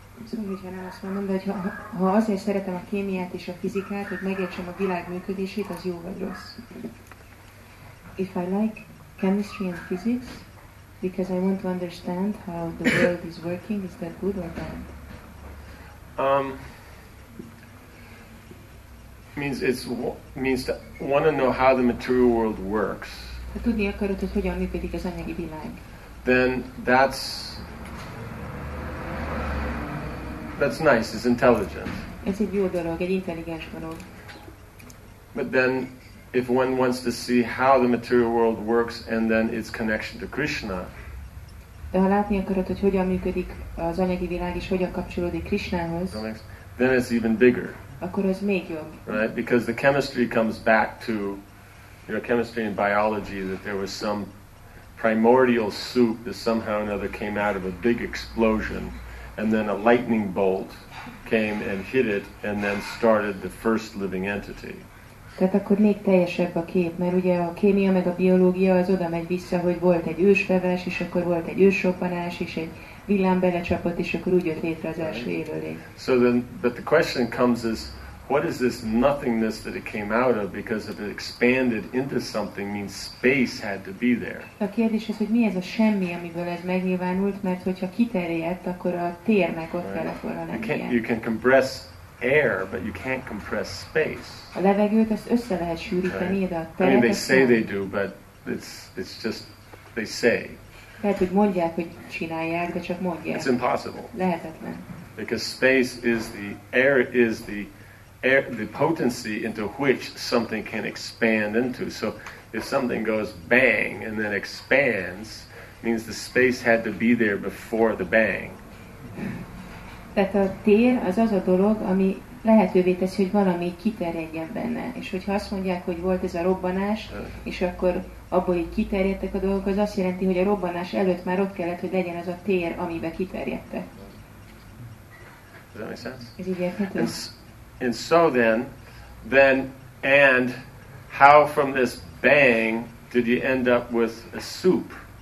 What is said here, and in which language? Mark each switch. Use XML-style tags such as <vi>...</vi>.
<hu>Szóval, nem azt mondom, de hogy ha azért szeretem a kémiát és a fizikát, hogy megértsem a világ működését, az jó vagy rossz.</hu> <en>If I like chemistry and physics, because I want to understand how the world is working, is that good or bad? Means to want to know how the material world works.</en> <hu>Ha tudni akarod, hogy hogyan működik az anyagi világ.</hu> <en>Then that's nice, it's intelligent.</en> <hu>Ez egy jó dolog, egy intelligens dolog.</hu> <en>But then, if one wants to see how the material world works and then its connection to Krishna,</en> <hu>de ha látni akarod, hogy hogyan működik az anyagi világ és hogyan kapcsolódik Krishnához,</hu> <en>then it's even bigger.</en> <hu>Akkor az még jobb.</hu> <en>Right? Because the chemistry comes back to your chemistry and biology, that there was some primordial soup that somehow or another came out of a big explosion. And then a lightning bolt came and hit it, and then started the first living entity.</en> <hu>Tehát akkor még teljesebb a kép, mert ugye a kémia meg a biológia az oda megy vissza, hogy volt egy ősfeves, és akkor volt egy ősroppanás, és egy villám belecsapott, és akkor úgy jött létre az első élőlény.</hu> <en>So then, but the question comes is, what is this nothingness that it came out of? Because if it expanded into something, means space had to be there.</en> <hu>A kérdés az, hogy mi ez a semmi, amiből ez megnyilvánult, mert hogyha kiterjedt, akkor a térnek ott kellett</hu> <en>right.</en> <hu>volna lennie.</hu> <en>You can compress air, but you can't compress space.</en> <hu>A levegőt azt össze lehet sűríteni, de a teret.</hu> <en>I mean, they say they do, but it's just they say.</en> <hu>Lehet, hogy mondják, hogy csinálják, de csak mondják.</hu> <en>It's impossible.</en> <hu>Lehetetlen.</hu> <en>Because space is the air is the air, the potency into which something can expand into. So if something goes bang and then expands, means the space had to be there before the bang.</en> <hu>Tehát a tér az az a dolog, ami lehetővé teszi, hogy valami kiterjedjen benne. És hogyha azt mondják, hogy volt ez a robbanás, és akkor abból így kiterjedtek a dolgok, az azt jelenti, hogy a robbanás előtt már ott kellett, hogy legyen az a tér, amiben kiterjedtek.</hu> <en>Does that make sense?</en> <hu>Ez</hu> <en>And so then, and how from this bang did you end up with a soup?</en>